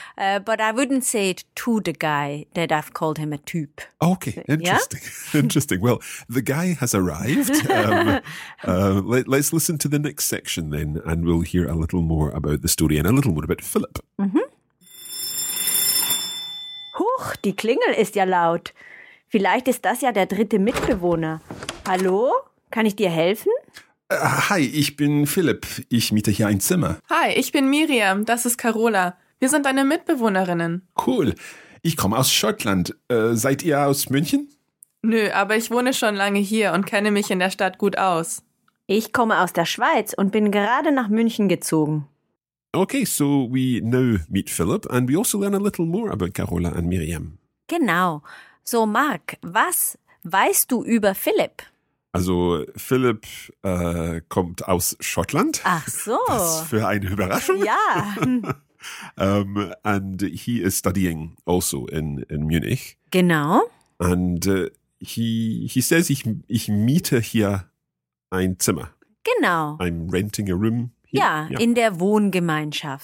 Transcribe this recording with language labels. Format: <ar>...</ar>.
<en>But I wouldn't say it to the guy that I've called him a typ. Okay. Interesting. Yeah? Interesting. Well, the guy has arrived. let's listen to the next section then, and we'll hear a little more about the story and a little more about Philip.</en> <de>Huch, die Klingel ist ja laut. Vielleicht ist das ja der dritte Mitbewohner. Hallo, kann ich dir helfen? Hi, ich bin Philipp. Ich miete hier ein Zimmer. Hi, ich bin Miriam. Das ist Carola. Wir sind deine Mitbewohnerinnen. Cool. Ich komme aus Schottland. Seid ihr aus München? Nö, aber ich wohne schon lange hier und kenne mich in der Stadt gut aus. Ich komme aus der Schweiz und bin gerade nach München gezogen.</de> <en>Okay, so we now meet Philip and we also learn a little more about Carola and Miriam.</en> <de>Genau. So, Mark, was weißt du über Philipp? Also, Philipp kommt aus Schottland. Ach so. Was für eine Überraschung. Ja.</de> <en>And he is studying also in Munich.</en> <de>Genau.</de> <en>And he says,</en> <de>ich miete hier ein Zimmer. Genau.</de> <en>I'm renting a room.</en> <de>Ja, in der Wohngemeinschaft.</de>